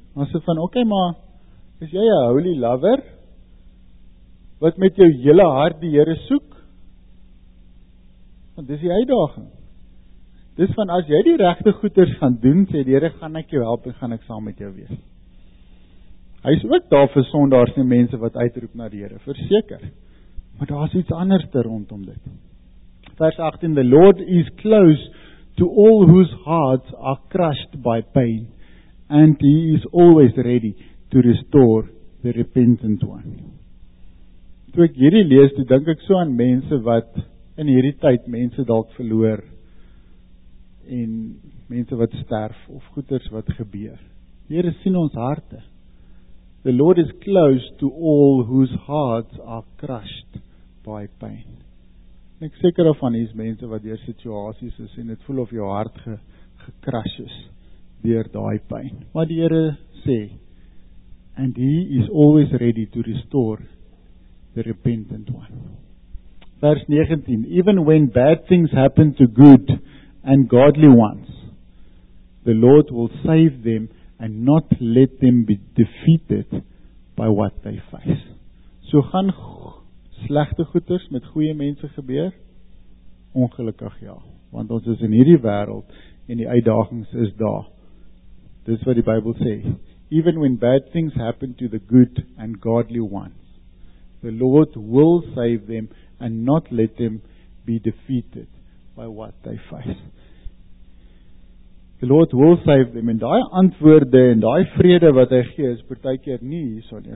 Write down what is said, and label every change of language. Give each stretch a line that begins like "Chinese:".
Afrikaans: Ons sê van, okay, maar is jy 'n
English: holy lover
Afrikaans: wat met jou hele hart die Here soek? Want dis die uitdaging. Dis van, as jy die regte goeders gaan doen, sê die Here, gaan ek jou help en gaan ek saam met jou wees. Hy is ook daar vir sondaars en mense wat uitroep na die Here, verseker. Maar daar is iets anders rondom dit. Vers 18,
English: the Lord is close to all whose hearts are crushed by pain, and he is always ready to restore the repentant one.
Afrikaans: Toe ek hierdie lees, toe dink ek so aan mense wat in hierdie tyd mense dalk verloor en mense wat sterf of goeders wat gebeur. Here sien ons harte.
English: The Lord is close to all whose hearts are crushed by pain.
Afrikaans: En ek seker of van hierdie mense wat deur situasies is en dit voel of jou hart gekrush is deur daai pyn. Maar die Here sê,
English: and he is always ready to restore the repentant one.
Afrikaans: Vers 19,
English: even when bad things happen to good and godly ones, the Lord will save them and not let them be defeated by what they face.
Afrikaans: So gaan slegte goeders met goeie mense gebeur? Ongelukkig ja, want ons is in hierdie wêreld en die uitdagings is daar. Dis wat die Bybel sê.
English: Even when bad things happen to the good and godly ones, the Lord will save them and not let them be defeated by what they face. The Lord will save them.
Afrikaans: En daai antwoorde en daai vrede wat hy gee is partykeer nie hierso nie.